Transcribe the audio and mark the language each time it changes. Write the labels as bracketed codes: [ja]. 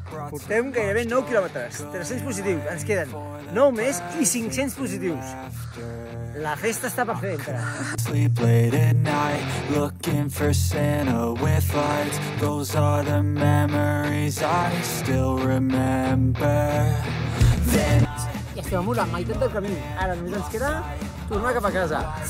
[ca] Portem gairebé 9 quilòmetres, 300 positius, ens queden 9 més i 500 positius. La festa està per fer, encara. [en] Night, looking for Santa with lights. Those are the memories I still remember. Then... [ca] Ja estem amunt, la meitat del camí. Ara només ens queda tornar cap a casa.